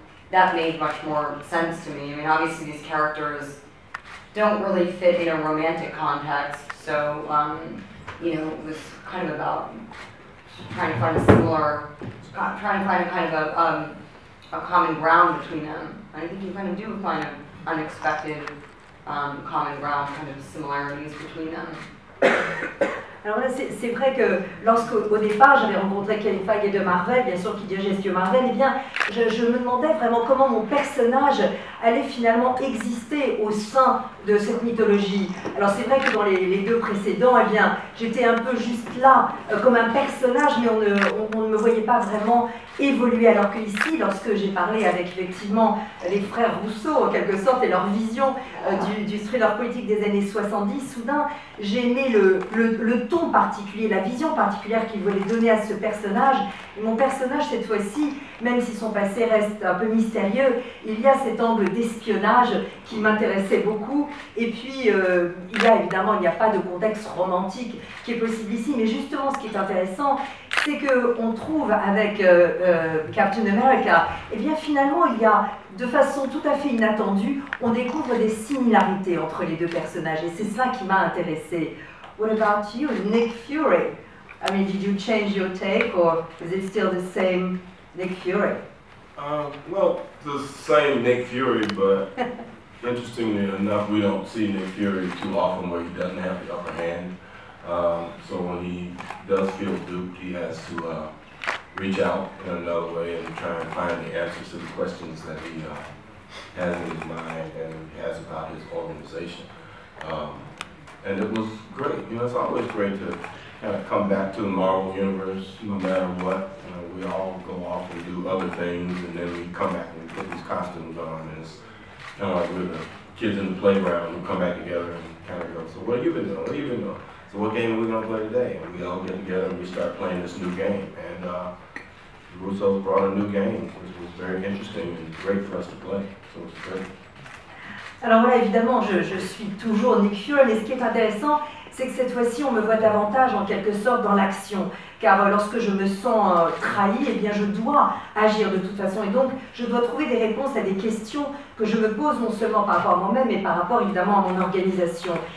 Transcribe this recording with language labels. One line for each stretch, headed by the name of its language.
English: That made much more sense to me. I mean, obviously, these characters don't really fit in a romantic context, so, you know, it was kind of about trying to find a common ground between them. And I think you kind of do find an unexpected common ground, kind of similarities between them.
French: Alors là, c'est vrai que lorsqu'au départ, j'avais rencontré Kevin Feige de Marvel, bien sûr qu'il dirigeait Studio Marvel, eh bien, je me demandais vraiment comment mon personnage allait finalement exister au sein de cette mythologie. Alors c'est vrai que dans les deux précédents, eh bien, j'étais un peu juste là, comme un personnage, mais on ne me voyait pas vraiment évoluer. Alors que ici, lorsque j'ai parlé avec effectivement les frères Russo, en quelque sorte, et leur vision du thriller politique des années 70, soudain, j'ai aimé le ton particulier, la vision particulière qu'ils voulaient donner à ce personnage. Et mon personnage, cette fois-ci, même si son passé reste un peu mystérieux, il y a cet angle d'espionnage qui m'intéressait beaucoup. Et puis, il n'y a pas de contexte romantique qui est possible ici. Mais justement, ce qui est intéressant, c'est qu'on trouve avec Captain America, eh bien finalement, il y a, de façon tout à fait inattendue, on découvre des similarités entre les deux personnages. Et c'est ça qui m'a intéressée.
English: What about you, Nick Fury? I mean, did you change your take, or is it still the same Nick Fury? Well, the same Nick Fury, but interestingly enough, we don't see Nick Fury too often where he doesn't have the upper hand. So when he does feel duped, he has to reach out in another way and try and find the answers to the questions that he has in his mind and has about his organization. And it was great. You know, it's always great to kind of come back to the Marvel Universe, no matter what. You know, we all go off and do other things, and then we come back and put these costumes on. And it's kind of like we're the kids in the playground. We come back together and kind of go, so what have you been doing? What have you been doing? So what game are we going to play today? And we all get together and we start playing this new game. And the Russos brought a new game, which was very interesting and great for us to play. So it was great.
French: Alors voilà, évidemment, je suis toujours Nick Fury, mais ce qui est intéressant, c'est que cette fois-ci, on me voit davantage, en quelque sorte, dans l'action. Car lorsque je me sens trahi, eh bien, je dois agir de toute façon. Et donc, je dois trouver des réponses à des questions que je me pose, non seulement par rapport à moi-même, mais par rapport, évidemment, à mon organisation.